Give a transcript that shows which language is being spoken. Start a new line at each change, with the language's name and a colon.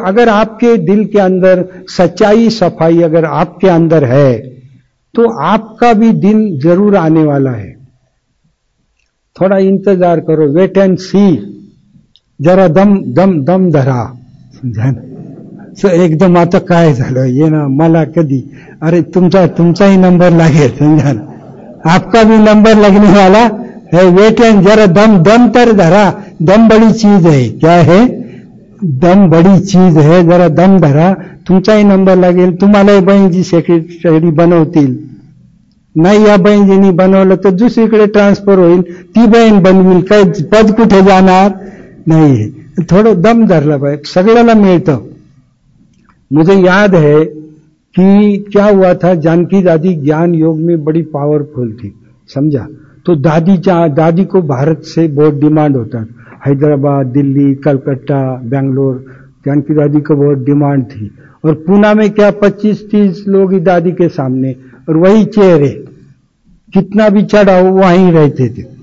Hindi: अगर आपके दिल के अंदर सच्चाई सफाई अगर आपके अंदर है तो आपका भी दिन जरूर आने वाला है, थोड़ा इंतजार करो,
English: wait and see,
Hindi: जरा दम दम दम धरा, समझा ना।
Marathi: सो एकदम आता काय झालं ये ना मला कधी, अरे तुमचा तुमचाही नंबर लागेल,
Hindi: समझा ना, आपका भी नंबर लगने वाला है,
Marathi: वेट एंड जरा दम दम तर धरा,
Hindi: दम बड़ी चीज है,
Marathi: क्या है, दम बड़ी चीज है, जरा दम धरा, तुमचाही नंबर लागेल, तुम्हाला बहन जी सेक्रेटरी बनवतील, नाही या बहन जीनी बनवलं तर दुसरीकडे ट्रान्सफर होईल, ती बहन बनवील, काय पद कुठे जाणार, नाही थोडं दम धरलं पाहिजे, सगळ्याला मिळतं।
Hindi: मुझे याद है कि क्या हुआ था, जानकी दादी ज्ञान योग में बड़ी पावरफुल थी, समझा। तो दादी दादी को भारत से बहुत डिमांड होता था, हैदराबाद दिल्ली कलकत्ता बेंगलोर, जानकी दादी को बहुत डिमांड थी, और पूना में क्या 25-30 लोग ही दादी के सामने, और वही चेहरे कितना भी चढ़ाओ वहीं रहते थे।